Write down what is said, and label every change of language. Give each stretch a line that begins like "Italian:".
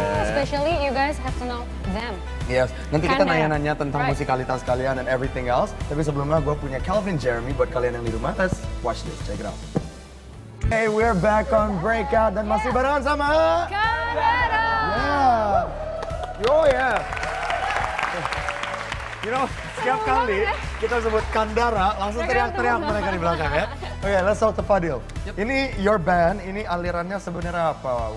English: Especially you guys have to know them.
Indonesian: Yes, nanti kita nanya-nanya tentang musikalitas kalian
English: and everything else.
Indonesian: Tapi sebelumnya gue punya Calvin Jeremy buat kalian yang di rumah.
English: Let's watch this, check it out. Hey, we're back on Breakout
Indonesian: dan masih barengan sama
English: Kandara. Oh yeah. You know,
Indonesian: setiap kali kita sebut Kandara, langsung teriak-teriak mereka di belakang ya.
English: Oke, okay, let's talk to Fadil. Yep.
Indonesian: Ini
English: your band,
Indonesian: ini alirannya sebenarnya apa?